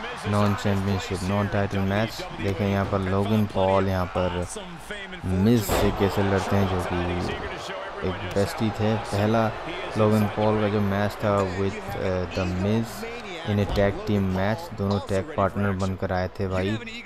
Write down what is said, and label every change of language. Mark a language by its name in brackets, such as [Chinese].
[English] Non-championship, non-title match. [Hindi] लेकिन यहाँ पर Logan Paul यहाँ पर Miz से कैसे लड़ते हैं जो कि एक बेस्टी थे. पहला Logan Paul का जो मैच था [English] with The Miz in a tag team match. [Hindi] दोनों tag partner बनकर आए थे भाई.